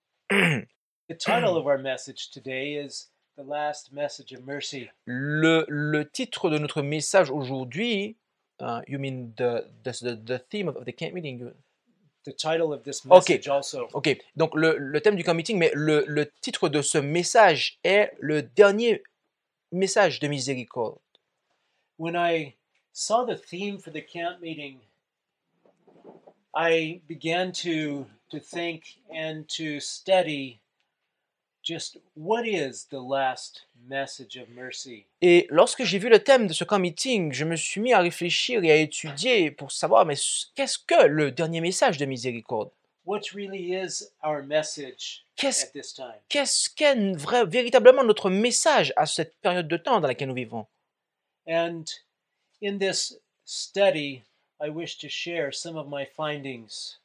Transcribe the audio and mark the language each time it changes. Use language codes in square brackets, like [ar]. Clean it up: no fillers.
[en] The title of our message today is The Last Message of Mercy. [fr] Le titre de notre message aujourd'hui, [en] you mean the theme of the camp meeting? The title of this message okay. Also. OK. [fr] Donc le thème du camp meeting, mais le titre de ce message est le dernier message de miséricorde. [en] When I saw the theme for the camp meeting, I began to think and to study just what is the last message of mercy. [fr] Et lorsque j'ai vu le thème de ce camp meeting, je me suis mis à réfléchir et à étudier pour savoir mais qu'est-ce que le dernier message de miséricorde? [en] What really is our message at this time? [fr] Qu'est-ce qu'est véritablement notre message à cette période de temps dans laquelle nous vivons? [en] And in this study, I wish to share some of my findings.